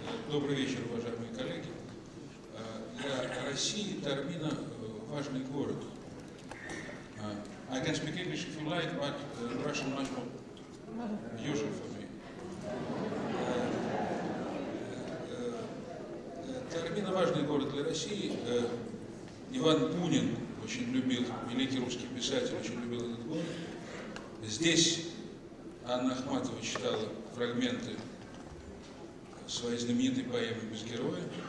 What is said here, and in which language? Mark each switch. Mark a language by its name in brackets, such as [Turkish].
[Russian] Добрый вечер, уважаемые коллеги. Для России Таормина важный город. [English] I can speak English if you like, but Russian much more usual for me. [Russian] Таормина важный город для России. Иван Бунин очень любил, великий русский писатель, очень любил этот город. Здесь Анна Ахматова читала фрагменты своей знаменитой поэмы «Без героя».